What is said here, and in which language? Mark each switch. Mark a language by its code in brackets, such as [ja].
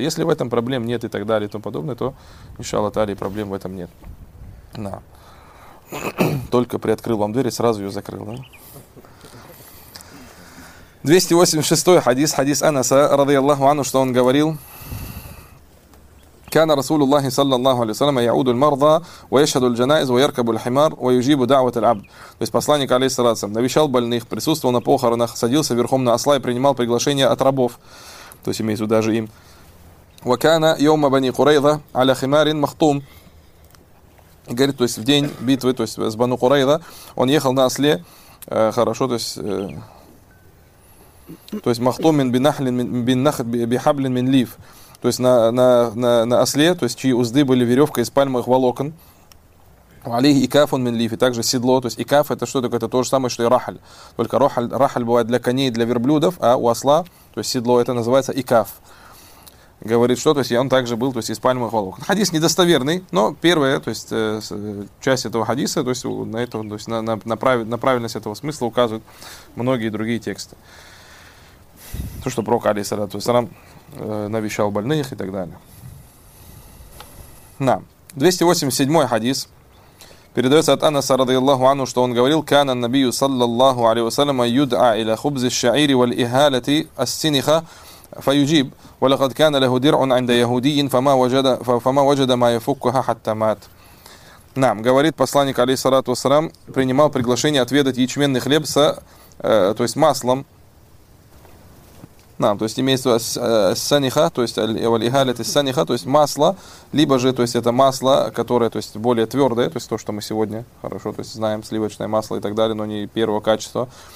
[ru] Если в этом проблем нет и так далее и тому подобное, то, иншаллах таали, проблем в этом нет. Да. Только приоткрыл вам дверь и сразу ее закрыл. Да? 286-й хадис, хадис Анаса, радыяллаху ану, что он говорил. [ar] كان رسول الله صلى الله عليه وسلم يعود المرضى ويشهد الجنائز ويركب الحمار ويجيب دعوة العبد. [ru] То есть посланник алейхиссалям навещал больных, присутствовал на похоронах, садился верхом на осла и принимал приглашения от рабов. То есть имеется даже им. [ar] وكان يوم بني قريظة على حمار مخطوم. [ru] Говорит, то есть в день битвы, то есть с Бану Курайза, он ехал на осле, хорошо, то есть [ar] махтум мин бинахлин мин нахт бихаблин мин лиф. [ru] То есть на осле, то есть чьи узды были веревкой из пальмовых волокон. [ar] Алейхи икаф он мин лиф, [ru] и также седло. То есть икаф это что такое? Это то же самое, что и рахаль. Только рахаль бывает для коней, для верблюдов, а у осла, то есть седло, это называется икаф. Говорит, что, то есть, и он также был, то есть, из пальмовых волокон. Хадис недостоверный, но первая, то есть, часть этого хадиса, то есть, на это, то есть, на правильность этого смысла указывают многие другие тексты. То, что пророк алейхиссалату вассалам навещал больных и так далее. На. 287-й хадис. Передается от Анаса, радиаллаху ану, что он говорил, [ar] «Кана набию, саллаллаху алейху саляма, юд'а иля хубзи ш-ша'ири валь ихалати ас-синиха». فيجيب ولقد كان له درع عند يهودي فما وجد ما يفكها حتى مات. [ru] Нам говорит посланник алейхиссалату вассалам принимал приглашение отведать ячменный хлеб с то есть маслом. Нам, то есть имеется в виду саниха, то есть валихалит из саниха, то есть масло, либо же, то есть это масло, которое, то есть более твердое, то есть то, что мы сегодня хорошо, то есть знаем, сливочное масло и так далее, но не первого качества.